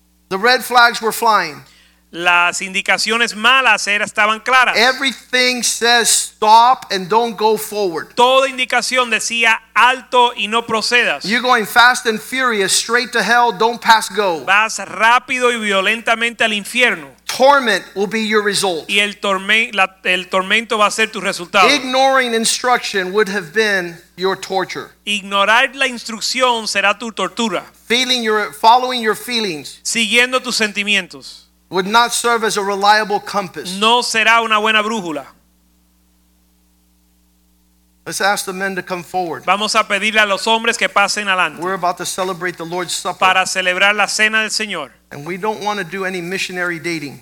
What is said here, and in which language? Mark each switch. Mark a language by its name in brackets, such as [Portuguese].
[English] The red flags were flying. [Spanish] Las indicaciones malas estaban claras. [English] Everything says stop and don't go forward. [Spanish] Toda indicación decía alto y no procedas. [English] You're going fast and furious straight to hell, don't pass go. [Spanish] Vas rápido y violentamente al infierno. [English] Torment will be your result. [Spanish] Y el tormento va a ser tu resultado. [English] Ignoring instruction would have been your torture. [Spanish] Ignorar la instrucción será tu tortura. [English] Feeling your following your feelings. [Spanish] Siguiendo tus sentimientos. [English] Would not serve as a reliable compass. [Spanish] No será una buena brújula. [English] Let's ask the men to come forward. [Spanish] Vamos a pedirle a los hombres que pasen adelante. [English] We're about to celebrate the Lord's Supper. [Spanish] Para celebrar la cena del Señor. [English] And we don't want to do any missionary dating.